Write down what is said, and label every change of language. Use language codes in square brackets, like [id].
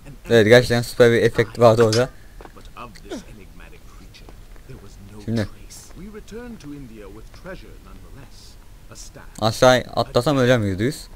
[tr] Evet, gerçekten süper bir efekt vardı orada. [en] But of this enigmatic creature, there was no trace. We returned to India with treasure nonetheless. [tr] Aşağı atlasam öleceğim %100.